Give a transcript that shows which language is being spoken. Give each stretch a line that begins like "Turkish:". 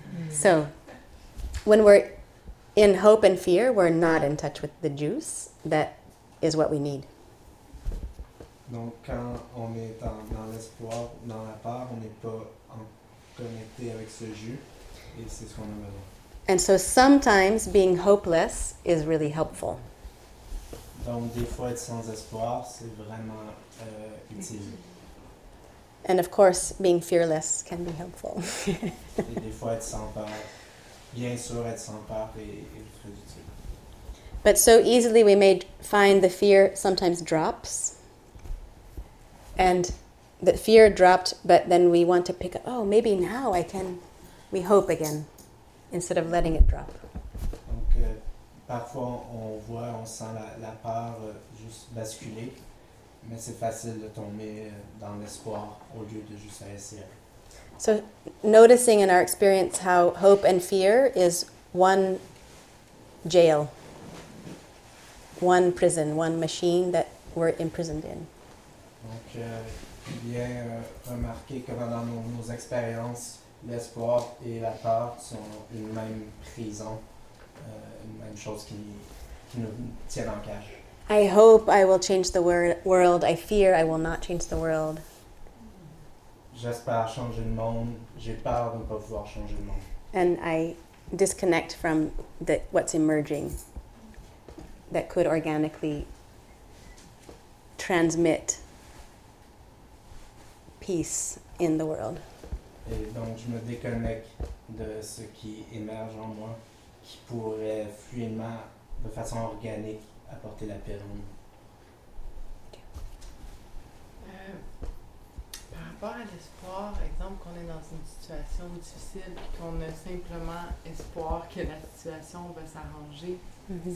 English: So, when we're in hope and fear, we're not in touch with the juice that is what we need.
French: Donc, quand on est dans l'espoir, dans la peur, on n'est pas connecté avec ce jus, et c'est ce qu'on a besoin.
English: And so sometimes being hopeless is really helpful.
French: Donc, des fois, être sans espoir, c'est vraiment utile.
English: And of course, being fearless can be helpful.
French: Et des fois, être sans peur, bien sûr, être sans peur est très utile.
English: But so easily we may find the fear sometimes drops. And the fear dropped, but then we want to pick up, oh, maybe now I can, we hope again, instead of letting it drop.
French: Donc, parfois on voit, on sent la peur juste basculer, mais c'est facile de tomber dans l'espoir au lieu de juste essayer.
English: So, noticing in our experience how hope and fear is one jail, one prison, one machine that we're imprisoned in.
French: Donc, bien remarqué que dans nos expériences, l'espoir et la peur sont une même prison, une même chose qui nous tient en cage.
English: I hope I will change the world. I fear I will not change the world.
French: J'espère changer le monde. J'ai peur de ne pas pouvoir changer le monde.
English: And I disconnect from what's emerging that could organically transmit peace in the world.
French: Et donc je me déconnecte de ce qui émerge en moi qui pourrait fluidement, de façon organique, apporter la paix. Par rapport à l'espoir, exemple qu'on est dans une situation difficile et qu'on a simplement espoir que la situation va s'arranger, mm-hmm.